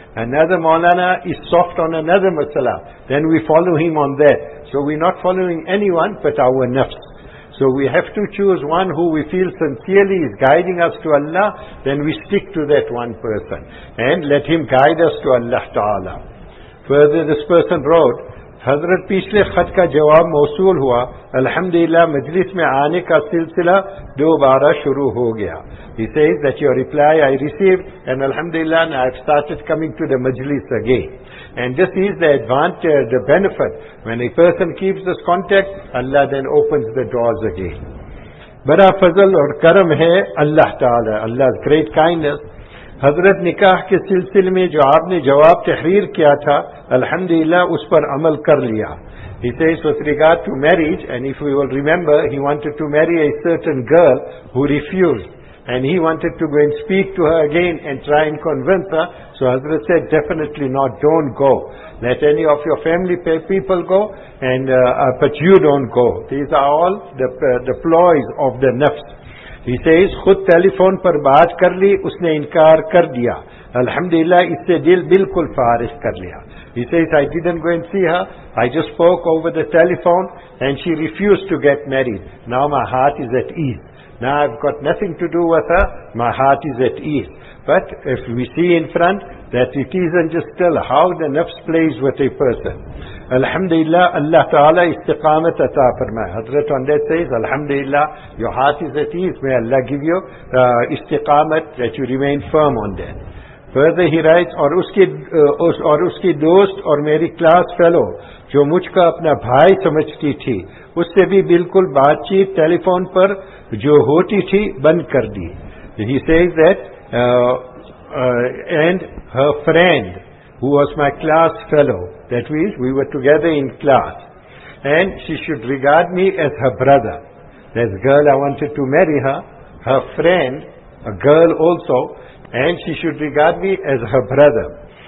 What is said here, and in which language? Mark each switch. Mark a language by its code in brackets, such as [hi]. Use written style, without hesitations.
[en] Another Maulana is soft on another masala, then we follow him on that. So we're not following anyone but our nafs. So we have to choose one who we feel sincerely is guiding us to Allah, then we stick to that one person. And let him guide us to Allah Ta'ala. Further this person wrote, [ur] حضرت پچھلے خط کا جواب موصول ہوا، الحمدللہ مجلس میں آنے کا سلسلہ دوبارہ شروع ہو گیا. [en] He says that your reply I received and alhamdulillah I have started coming to the majlis again. And this is the advantage, the benefit. When a person keeps this contact, Allah then opens the doors again. [ur] بڑا فضل اور کرم ہے اللہ تعالی، اللہ [en] 's great kindness. [ur] حضرت نکاح کے سلسلے میں جو آپ نے جواب تحریر کیا تھا، الحمدللہ اس پر عمل کر لیا. [en] He says with regard to marriage, and if we will remember, he wanted to marry a certain girl who refused. And he wanted to go and speak to her again and try and convince her. So Hazrat said, definitely not, don't go. Let any of your family people go, and but you don't go. These are all the ploys of the nafs. He says, [ur] خود telephone پر بات کر لی، اس نے انکار کر دیا. الحمدللہ اس سے دل بالکل فارغ کر لیا. [en] He says, I didn't go and see her. I just spoke over the telephone and she refused to get married. Now my heart is at ease. Now I've got nothing to do with her. My heart is at ease. But if we see in front that it isn't just still how the nafs plays with a person. [ur] Alhamdulillah, Allah Ta'ala istiqamat ata farmaya. [en] Hazrat on that says, Alhamdulillah, your heart is at ease. May Allah give you istiqamat that you remain firm on that. Further he writes, [ur] اور اس کی دوست اور میری class fellow جو مجھ کا اپنا بھائی سمجھتی تھی، اس سے بھی بالکل بات چیت ٹیلی فون پر جو ہوتی تھی بند کر دی. [en] He says that and her friend who was my class fellow, that means we were together in class, and she should regard me as her brother. This girl I wanted to marry her, her friend, a girl also, and she should regard me as her brother.